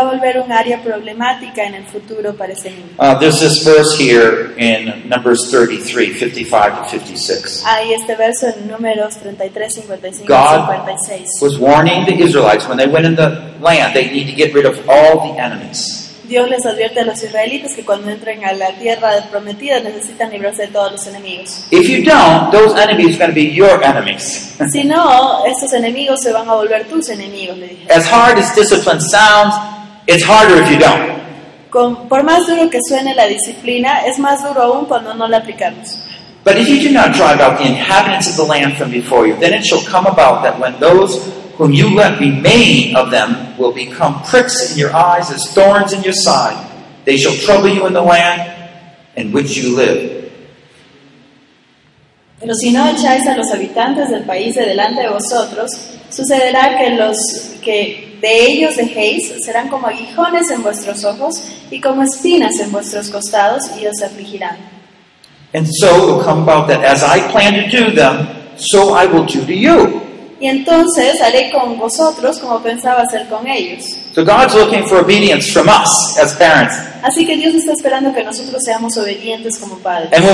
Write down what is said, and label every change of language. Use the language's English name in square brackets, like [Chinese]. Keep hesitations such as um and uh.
[Spanish] a volver un área problemática en el futuro para ese niño. [English] there's this verse here in Numbers 33:55 to 56. [Spanish] Ahí este verso en Números 33, 55, 56. [English] God was warning the Israelites when they went into the land, they need to get rid of all the enemies. [Spanish] Dios les advierte a los israelitas que cuando entren a la tierra prometida necesitan librarse de todos los enemigos. [English] If you don't, those enemies are going to be your enemies. [Spanish] si no, estos enemigos se van a volver tus enemigos, le [English] As hard as discipline sounds, it's harder if you don't. [Spanish] Con, por más duro que suene la disciplina, es más duro aún cuando no la aplicamos. [English] But if you do not drive out the inhabitants of the land from before you, then it shall come about that when those whom you let remain of them will become pricks in your eyes as thorns in your side. They shall trouble you in the land in which you live. [Spanish] Pero si no echáis a los habitantes del país de delante de vosotros, sucederá que los que de ellos dejéis serán como aguijones en vuestros ojos y como espinas en vuestros costados y os afligirán. [English] And so it will come about that as I plan to do them, so I will do to you. [Spanish] y entonces haré con vosotros como pensaba hacer con ellos. [English] So God's for from us as [Spanish] Así que Dios está esperando que nosotros seamos obedientes como padres.